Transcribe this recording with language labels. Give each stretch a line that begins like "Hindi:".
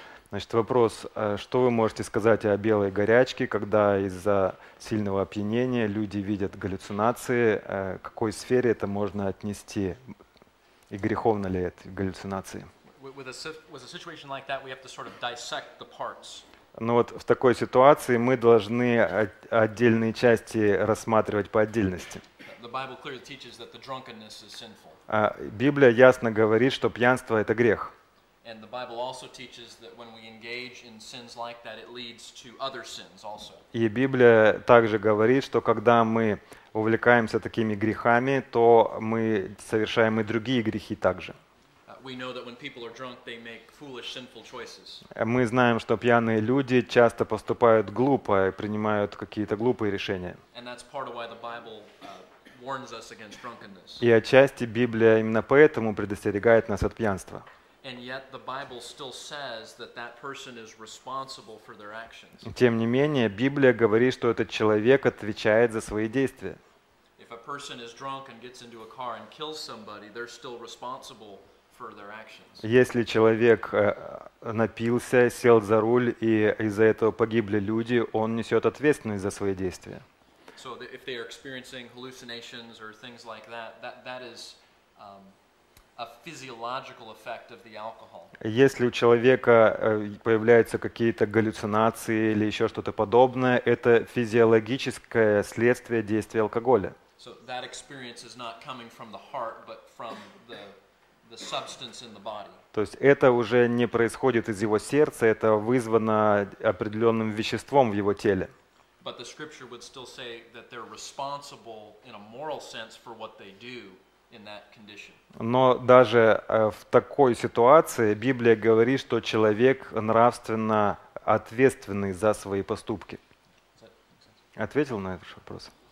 Russian: Значит, вопрос, что вы можете сказать о белой горячке, когда из-за сильного опьянения люди видят галлюцинации, к какой сфере это можно отнести, и греховно ли это галлюцинации?
English: With a situation like that, we have to sort of dissect the parts.
Russian: Ну вот в такой ситуации мы должны отдельные части рассматривать по отдельности.
English: The Bible clearly teaches that the drunkenness is sinful.
Russian: Библия ясно говорит, что пьянство — это грех.
English: And the Bible also teaches that when we engage in sins like that, it leads to other sins also.
Russian: И Библия также говорит, что когда мы увлекаемся такими грехами, то мы совершаем и другие грехи также.
English: we know that when people are drunk, they make foolish, sinful choices.
Russian: Мы знаем, что пьяные люди часто поступают глупо и принимают какие-то глупые решения.
English: And that's part of why the Bible warns us against drunkenness.
Russian: И отчасти Библия именно поэтому предостерегает нас от пьянства.
English: And yet the Bible still says that that person is responsible for their actions.
Russian: Тем не менее, Библия говорит, что этот человек отвечает за свои действия.
English: If a person is drunk and gets into a car and kills somebody, they're still responsible for their actions.
Russian: Если человек напился, сел за руль и из-за этого погибли люди, он несёт ответственность за свои действия.
English: So if they are experiencing hallucinations or things like that, that is a physiological effect of the alcohol.
Russian: Если у человека появляются какие-то галлюцинации или ещё что-то подобное, это физиологическое следствие действия алкоголя.
English: So that experience is not coming from the heart, but from the substance in the body.
Russian: То есть это уже не происходит из его сердца, это вызвано определённым веществом в его теле.
English: But the scripture would still say that they're responsible in a moral sense for what they do.
Russian: Но даже в такой ситуации Библия говорит, что человек нравственно ответственный за свои поступки. Ответил на этот вопрос?